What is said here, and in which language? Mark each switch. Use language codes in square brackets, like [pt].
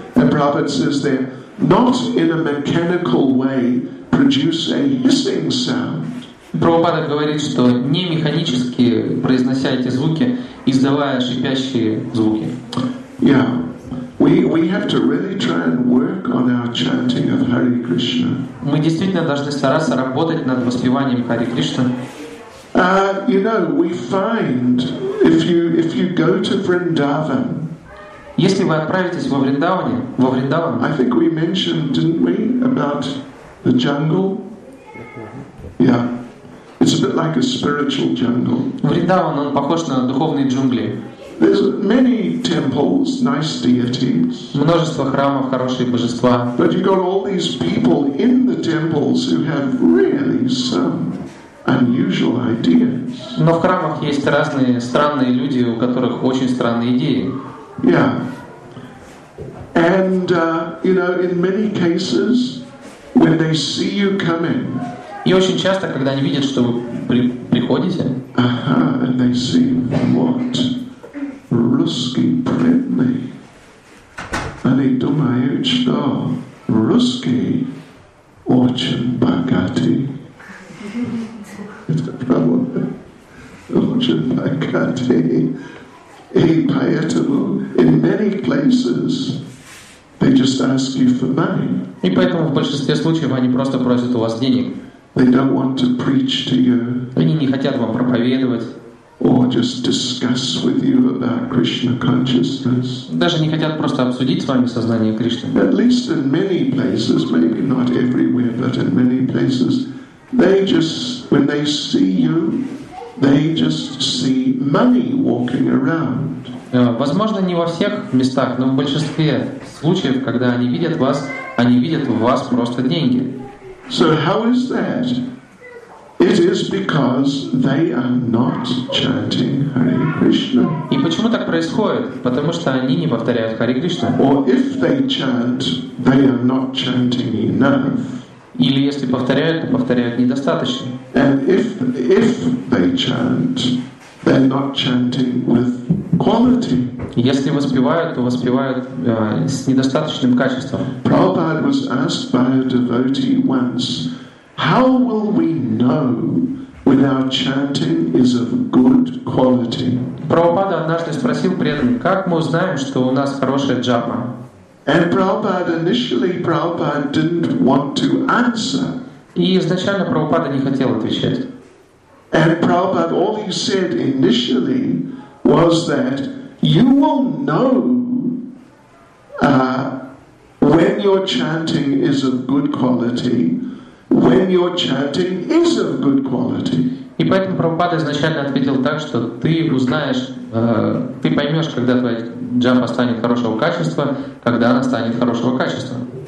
[en] And Prabhupada says there, not in a mechanical way produce a hissing sound. [ru] Прабхупада говорит, что не механически произнося эти звуки, издавая шипящие звуки. [en] Yeah. We have to really try and work on our chanting of Hare Krishna. [ru] Мы действительно должны стараться работать над воспеванием Хари Кришна. [en] You know, we find if you go to Vrindavan. [ru] Если вы отправитесь во Вриндаван, [en] I think we mentioned, didn't we, about the jungle? Yeah, it's a bit like a spiritual jungle. [ru] Вриндаван, он похож на духовные джунгли. [en] There's many temples, nice deities. [ru] Множество храмов, хорошие божества. [en] But you've got all these people in the temples who have really some unusual ideas. [ru] Но в храмах есть разные странные люди, у которых очень странные идеи. [en] Yeah, and you know, in many cases, when they see you coming, [ru] и очень часто, когда они видят, что вы приходите, [en] and they see what [ru] русский предный, они думают, что русский очень богатый. Это правда, очень богатый. [en] In many places, they just ask you for money. [ru] И поэтому в большинстве случаев они просто просят у вас денег. [en] They don't want to preach to you. [ru] Они не хотят вам проповедовать. [en] Or just discuss with you about Krishna consciousness. [ru] Даже не хотят просто обсудить с вами сознание Кришны. [en] At least in many places, maybe not everywhere, but in many places, they just when they see you. They just see money walking around. [ru] Возможно, не во всех местах, но в большинстве случаев, когда они видят в вас просто деньги. [en] So how is that? It is because they are not chanting Hare Krishna. [ru] И почему так происходит? Потому что они не повторяют Хари Кришну. [en] Or if they chant, they are not chanting enough. [ru] Или если повторяют, то повторяют недостаточно. [en] And if they chant, they're not chanting with quality. [ru] Если воспевают, то воспевают с недостаточным качеством. [en] Prabhupada was asked by a devotee once, how will we know when our chanting is of good quality? [ru] Prabhupada однажды спросил преданных, как мы узнаем, что у нас хорошая джапа? [en] And Prabhupada didn't want to answer. [ru] И изначально Прабхупада не хотел отвечать. [en] And Prabhupada, all he said initially was that you will know when your chanting is of good quality, when your chanting is of good quality. [ru] И поэтому Прабхупада изначально ответил так, что ты узнаешь, ты поймешь, когда твоя джапа станет хорошего качества, когда она станет хорошего качества.